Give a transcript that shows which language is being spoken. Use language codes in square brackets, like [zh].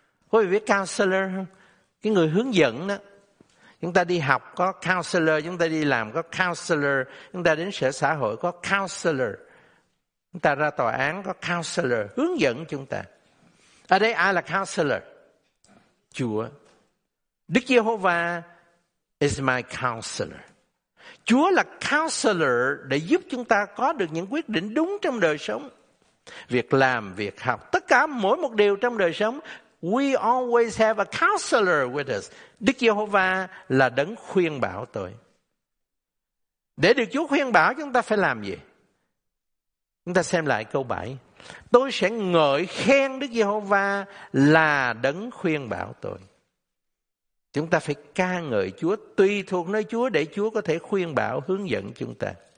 [vi] Quý vị biết counselor không? Cái người hướng dẫn đó. Chúng ta đi học có counselor, chúng ta đi làm có counselor, chúng ta đến sở xã hội có counselor, chúng ta ra tòa án có counselor, hướng dẫn chúng ta. Ở đây ai là counselor? Chúa. [en] Đức Giê-hô-va is my counselor. [vi] Chúa là counselor để giúp chúng ta có được những quyết định đúng trong đời sống. Việc làm, việc học, tất cả mỗi một điều trong đời sống, [en] We always have a counselor with us. [vi] Đức Giê-hô-va là đấng khuyên bảo tôi. Để được Chúa khuyên bảo chúng ta phải làm gì? Chúng ta xem lại câu 7. Tôi sẽ ngợi khen Đức Giê-hô-va là đấng khuyên bảo tôi. Chúng ta phải ca ngợi Chúa, tùy thuộc nơi Chúa để Chúa có thể khuyên bảo, hướng dẫn chúng ta.